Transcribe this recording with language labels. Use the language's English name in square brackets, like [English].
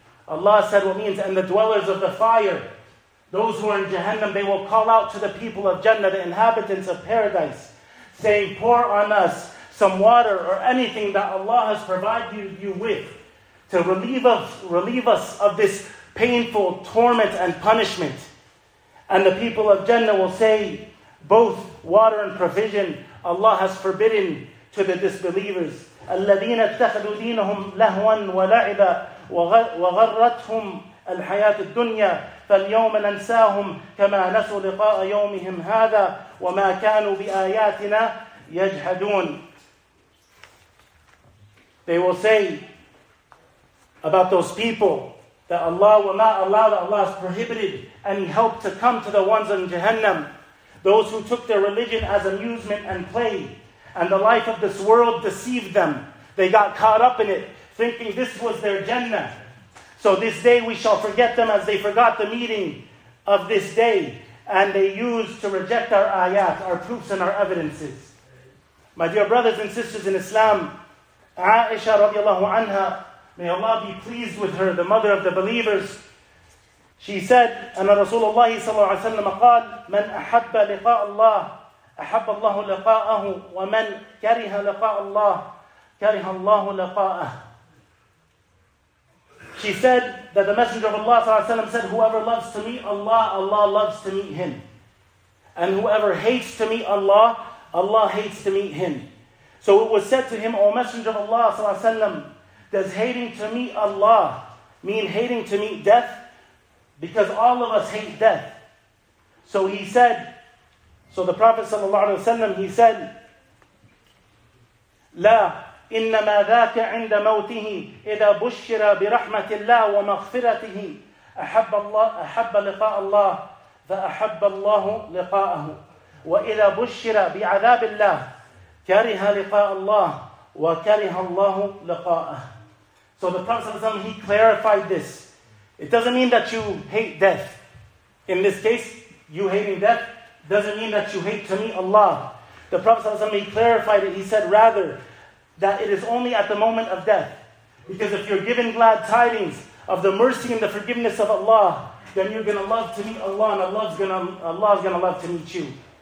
[English] Allah said what means, and the dwellers of the fire, those who are in Jahannam, they will call out to the people of Jannah, the inhabitants of paradise, saying, pour on us some water or anything that Allah has provided you with, to relieve us of this painful torment and punishment. And the people of Jannah will say, both water and provision Allah has forbidden to the disbelievers. [Arabic] الَّذِينَ اتَّخَذُوا دِينَهُمْ لَهْوًا وَلَعِبًا وَغَرَّتْهُمْ الحياة الدنيا فاليوم ننساهم كما نسوا لقاء يومهم هذا وما كانوا بآياتنا يجحدون. [English] They will say about those people that Allah will not allow, that Allah has prohibited any help to come to the ones in Jahannam. Those who took their religion as amusement and play, and the life of this world deceived them. They got caught up in it, thinking this was their Jannah. So this day we shall forget them as they forgot the meaning of this day, and they used to reject our ayat, our proofs and our evidences. My dear brothers and sisters in Islam, Aisha radiallahu anha, may Allah be pleased with her, the mother of the believers. She said, [Arabic] أن رسول الله صلى الله عليه وسلم قال من أحب لقاء الله أحب الله لقاءه ومن كره لقاء الله كره الله لقاءه. [English] She said that the Messenger of Allah [Arabic] صلى الله عليه وسلم [English] said, whoever loves to meet Allah, Allah loves to meet him. And whoever hates to meet Allah, Allah hates to meet him. So it was said to him, O Messenger of Allah [Arabic] صلى الله عليه وسلم, [English] does hating to meet Allah mean hating to meet death? Because all of us hate death. So he said, so the Prophet ﷺ, he said, [Arabic] لا إنما ذاك عند موته إذا بشر برحمة الله ومغفرته أحب الله أحب لقاء الله فأحب الله لقاءه وإذا بشر بعذاب الله كره لقاء الله وكره الله لقاءه. [English] So the Prophet ﷺ, he clarified this. It doesn't mean that you hate death. In this case, you hating death doesn't mean that you hate to meet Allah. The Prophet ﷺ, he clarified it. He said rather that it is only at the moment of death. Because if you're given glad tidings of the mercy and the forgiveness of Allah, then you're going to love to meet Allah, and Allah's going to love to meet you.